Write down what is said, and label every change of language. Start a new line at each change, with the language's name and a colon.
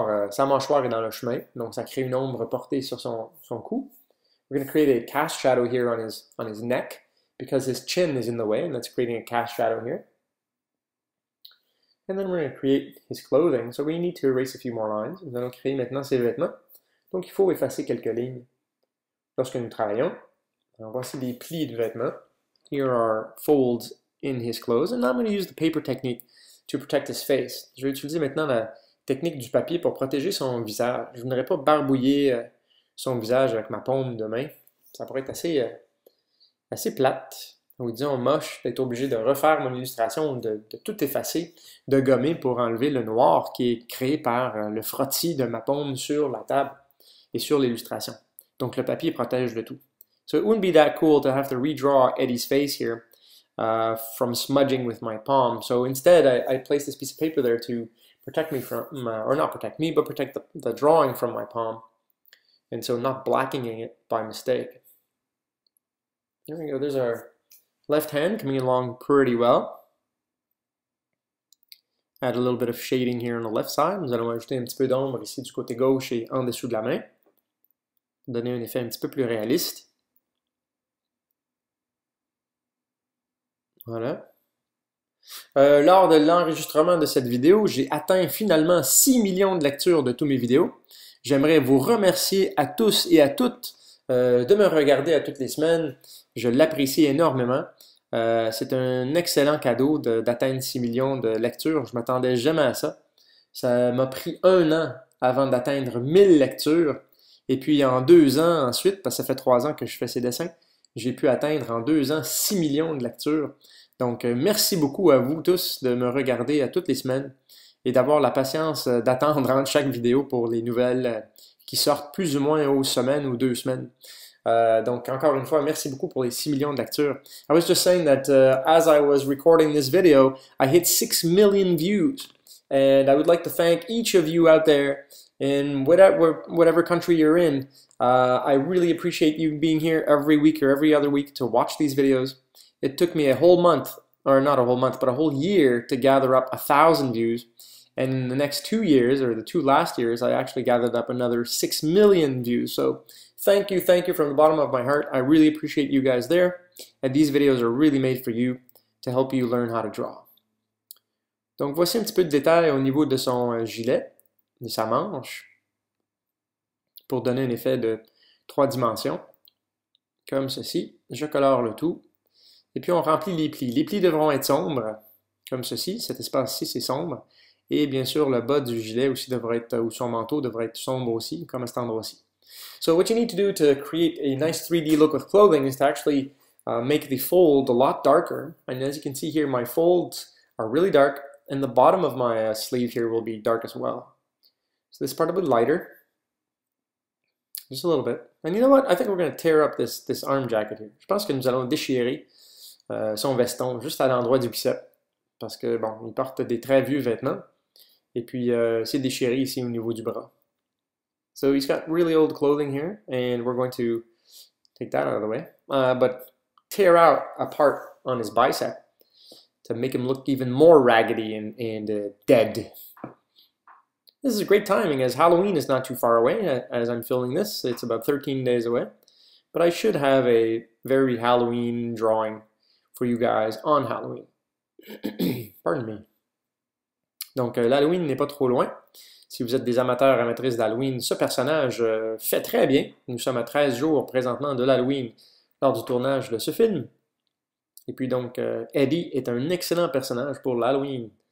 French: Sa mâchoire est dans le chemin, donc ça crée une ombre portée sur son cou.
English: We're going to create a cast shadow here on his neck because his chin is in the way, and that's creating a cast shadow here. And then we're going to create his clothing. So we need to erase a few more lines.
French: Nous allons créer maintenant ses vêtements. Donc il faut effacer quelques lignes lorsque nous travaillons. Alors voici des plis de vêtements.
English: Here are folds in his clothes. And now I'm going to use the paper technique to protect his face.
French: Je vais utiliser maintenant la technique du papier pour protéger son visage. Je ne voudrais pas barbouiller son visage avec ma paume de main. Ça pourrait être assez plate, ou disons moche, d'être obligé de refaire mon illustration, de tout effacer, de gommer pour enlever le noir qui est créé par le frottis de ma paume sur la table et sur l'illustration. Donc le papier protège le tout.
English: So it wouldn't be that cool to have to redraw Eddie's face here from smudging with my palm. So instead, I place this piece of paper there to protect me from, or not protect me, but protect the drawing from my palm. And so not blacking it by mistake. There we go, there's our left hand coming along pretty well. Add a little bit of shading here on the left side.
French: Nous allons ajouter un petit peu d'ombre ici du côté gauche et en dessous de la main. Donner un effet un petit peu plus réaliste. Voilà. Lors de l'enregistrement de cette vidéo, j'ai atteint finalement 6 millions de lectures de toutes mes vidéos. J'aimerais vous remercier à tous et à toutes de me regarder à toutes les semaines. Je l'apprécie énormément. C'est un excellent cadeau d'atteindre 6 millions de lectures. Je ne m'attendais jamais à ça. Ça m'a pris un an avant d'atteindre 1000 lectures. Et puis en 2 ans ensuite, parce que ça fait 3 ans que je fais ces dessins, j'ai pu atteindre en 2 ans 6 millions de lectures. Donc, merci beaucoup à vous tous de me regarder à toutes les semaines et d'avoir la patience d'attendre entre chaque vidéo pour les nouvelles qui sortent plus ou moins aux semaines ou 2 semaines. Donc, encore une fois, merci beaucoup pour les 6 millions de lectures.
English: I was just saying that as I was recording this video, I hit 6 million views. And I would like to thank each of you out there in whatever country you're in. I really appreciate you being here every week or every other week to watch these videos. It took me a whole month, or not a whole month, but a whole year to gather up 1,000 views. And in the next 2 years, or the 2 last years, I actually gathered up another 6 million views. So thank you from the bottom of my heart. I really appreciate you guys there. And these videos are really made for you to help you learn how to draw.
French: Donc voici un petit peu de détails au niveau de son gilet, de sa manche, pour donner un effet de 3 dimensions, comme ceci. Je colore le tout, et puis on remplit les plis. Les plis devront être sombres, comme ceci, cet espace-ci c'est sombre, et bien sûr le bas du gilet aussi devrait être, ou son manteau devrait être sombre aussi, comme à cet endroit-ci.
English: So what you need to do to create a nice 3D look with clothing is to actually make the fold a lot darker, and as you can see here, my folds are really dark, and the bottom of my sleeve here will be dark as well. So this part will be lighter, just a little bit. And you know what? I think we're going to tear up this arm jacket here.
French: Je pense que nous allons déchirer son veston juste à l'endroit du bicep, parce que bon, il porte des très vieux vêtements, et puis c'est déchiré ici au niveau du bras.
English: So he's got really old clothing here, and we're going to take that out of the way, but tear out a part on his bicep to make him look even more raggedy and dead. This is a great timing as Halloween is not too far away as I'm filming this. It's about 13 days away. But I should have a very Halloween drawing for you guys on Halloween. Pardon me.
French: Donc l'Halloween n'est pas trop loin. Si vous êtes des amateurs amatrices d'Halloween, ce personnage fait très bien. Nous sommes à 13 jours présentement de l'Halloween lors du tournage de ce film. Et puis donc, Eddie est un excellent personnage pour l'Halloween.